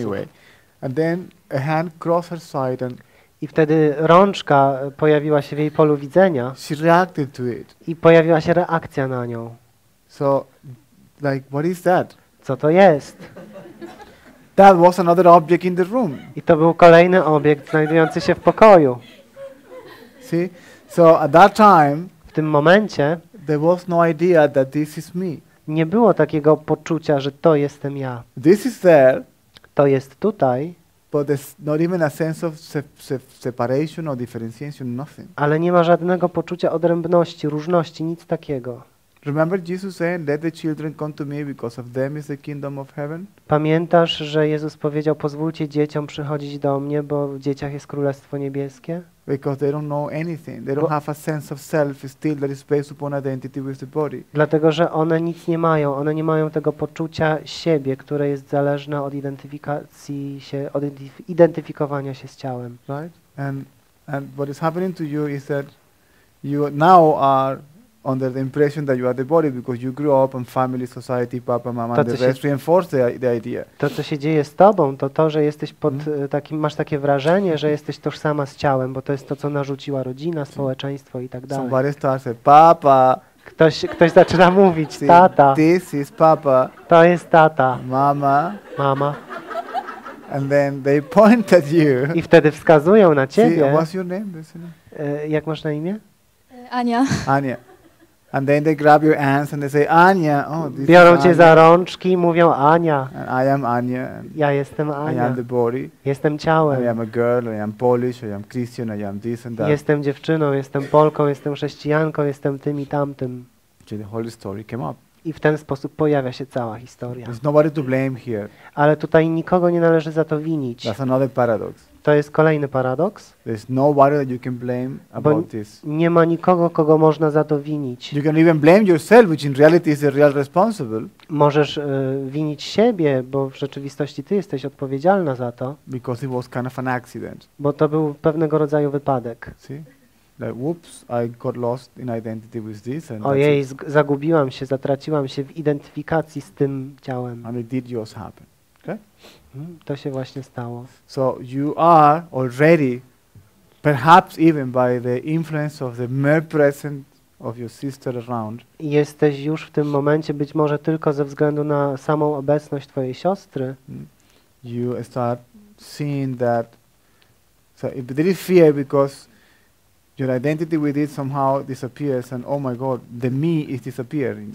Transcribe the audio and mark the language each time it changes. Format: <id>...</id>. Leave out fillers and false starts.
<en>Anyway, and then a hand crossed her sight and</en> <pl>i wtedy rączka pojawiła się w jej polu widzenia.</pl> <en>She reacted to it.</en> <pl>I pojawiła się reakcja na nią.</pl> <en>So, like, what is that?</en> <pl>Co to jest?</pl> <en>That was another object in the room.</en> <pl>I to był kolejny obiekt znajdujący się w pokoju.</pl> <en>See? So at that time.</en> <pl>W tym momencie.</pl> <en>There was no idea that this is me.</en> <pl>Nie było takiego poczucia, że to jestem ja.</pl> <en>This is there.</en> <pl>To jest tutaj.</pl> <en>But there's not even a sense of separation or differentiation, nothing.</en> <pl>Ale nie ma żadnego poczucia odrębności, różności, nic takiego.</pl> <en>Remember Jesus saying, "Let the children come to me, because of them is the kingdom of heaven."</en> <pl>Pamiętasz, że Jezus powiedział: "Pozwólcie dzieciom przychodzić do mnie, bo w dzieciach jest królestwo niebieskie."</pl> <en>Because they don't know anything. They don't have a sense of self still that is based upon identity with the body.</en> <pl>Dlatego, że one nic nie mają. One nie mają tego poczucia siebie, które jest zależne od identyfikacji się, od identyfikowania się z ciałem.</pl> <en>Right? And what is happening to you is that you now are under the impression that you are the body because you grew up in family, society, papa, mama, and the rest reinforce the idea.</en> <pl>To, co się dzieje z tobą, to to, że jesteś pod takim, masz takie wrażenie, że jesteś tożsama z ciałem, bo to jest to, co narzuciła rodzina, społeczeństwo i tak dalej.</pl> <en>Somebody starts saying, papa.</en> <pl>Ktoś zaczyna mówić, tata.</pl> <en>This is papa.</en> <pl>To jest tata.</pl> <en>Mama.</en> <pl>Mama.</pl> <en>And then they point at you.</en> <pl>I wtedy wskazują na ciebie.</pl> <en>See, what's your name?</en> <pl>Jak masz na imię?</pl> <en>Ania.</en> <pl>Ania.</pl> <en>And then they grab your hands and they say, Ania.</en> <pl>Biorą cię za rączki i mówią, Ania.</pl> <en>And I am Ania.</en> <pl>Ja jestem Ania.</pl> <en>I am the body.</en> <pl>Jestem ciałem.</pl> <en>I am a girl, I am Polish, I am Christian, I am this and that.</en> <pl>Jestem dziewczyną, jestem Polką, jestem chrześcijanką, jestem tym i tamtym.</pl> <en>So the whole story came up.</en> <pl>I w ten sposób pojawia się cała historia.</pl> <en>There's nobody to blame here.</en> <pl>Ale tutaj nikogo nie należy za to winić.</pl> <en>That's another paradox.</en> <pl>To jest kolejny paradoks.</pl> <en>There's nobody that you can blame about this.</en> <pl>Nie ma nikogo, kogo można za to winić.</pl> <en>You can even blame yourself, which in reality is the real responsible.</en> <pl>Możesz winić siebie, bo w rzeczywistości ty jesteś odpowiedzialna za to.</pl> <en>Because it was kind of an accident.</en> <pl>Bo to był pewnego rodzaju wypadek.</pl> <en>See? Like, whoops, I got lost in identity with this.</en> <pl>Ojej, zagubiłam się, zatraciłam się w identyfikacji z tym ciałem.</pl> <en>And it did just happen. Okay.</en> <pl>To się właśnie stało.</pl> <en>So you are already, perhaps even by the influence of the mere presence of your sister around.</en> <pl>Jesteś już w tym momencie, być może tylko ze względu na samą obecność twojej siostry.</pl> <en>You start seeing that. So if there is fear because your identity with it somehow disappears, and oh my God, the me is disappearing.</en>